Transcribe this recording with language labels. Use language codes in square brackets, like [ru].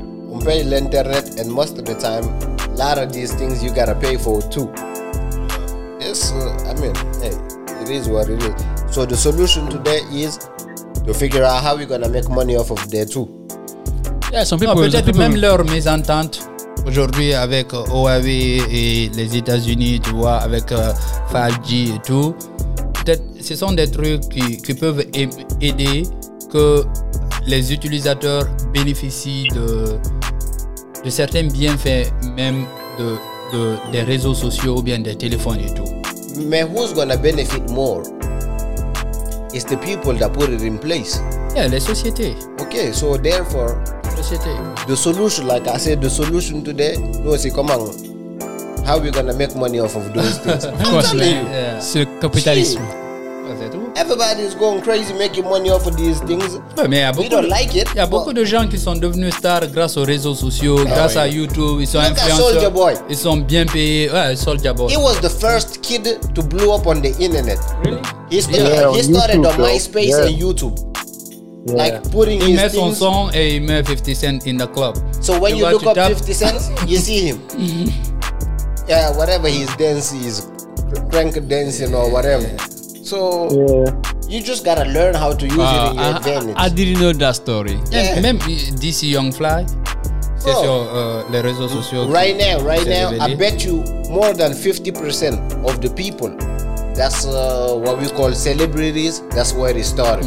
[fr] On paye l'internet [en] and most of the time, a lot of these things you gotta pay for too. Yes, it is what it is. So the solution today is to figure out how we're gonna make money off of there too. Yeah, some people... [fr] Peut-être people... même leur mésentente. Aujourd'hui, avec Huawei et les États-Unis, tu vois, avec 5G et tout, peut-être ce sont des trucs qui peuvent aider que les utilisateurs bénéficient de certains bienfaits, même des réseaux sociaux ou bien des téléphones et tout. [en] Mais who's gonna benefit more? It's the people that put it in place. [fr] Yeah, les sociétés. [en] Okay, so therefore. The solution, like I said, the solution today, no, see, come on. How are we gonna make money off of those things? Of course, man. [fr] C'est le capitalisme. [en] Everybody's going crazy making money off of these things. [fr] Mais [en] don't like it. [fr] Il y a beaucoup de gens qui sont devenus stars grâce aux réseaux sociaux, grâce à YouTube. Ils sont influenceurs. [en] Soulja Boy. [fr] Ils sont bien payés. Ouais, Soulja Boy. [en] He was the first kid to blow up on the internet. Really? He started, he started YouTube, on MySpace and YouTube. Yeah. Like putting [fr] il [en] his [fr] met [en] things. [fr] Son song et il met 50 Cent [en] in the club. So when you look up 50 Cent, you see him. Yeah, whatever he's dancing, he's crank dancing or whatever. So you just gotta learn how to use it in your advantage. I didn't know that story. Yeah. [fr] Même DC Young Fly, c'est sur les réseaux sociaux. [en] Right now, I bet you more than 50% of the people, that's what we call celebrities, that's where it started.